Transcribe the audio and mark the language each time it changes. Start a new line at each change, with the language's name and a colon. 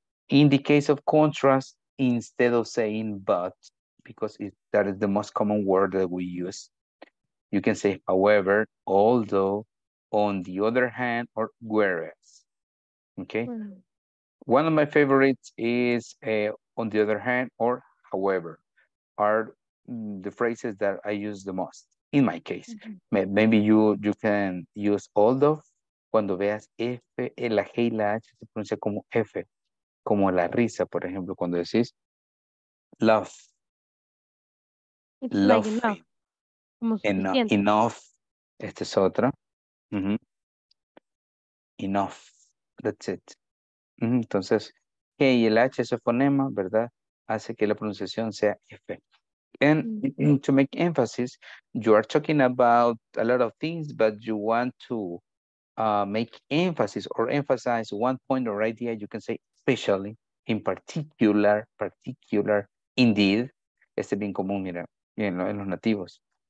English: In the case of contrast, instead of saying but, because that is the most common word that we use, you can say however, although, on the other hand, or whereas. Okay? Mm-hmm. One of my favorites is on the other hand or however are the phrases that I use the most in my case. Mm-hmm. Maybe you can use although.
Spanish: Cuando veas F, la G y la H se pronuncia como F, como la risa, por ejemplo, cuando decís love.
English: It's love. Like enough. Enough.
Spanish: Esta es otra.
English: Uh-huh. Enough. That's it. Uh-huh.
Spanish: Entonces, G y el H, ese fonema, ¿verdad? Hace que la pronunciación sea F.
English: And to make emphasis, you are talking about a lot of things, but you want to make emphasis or emphasize one point or idea, you can say especially, in particular, indeed.
Spanish: Este es bien común, mira, en los nativos.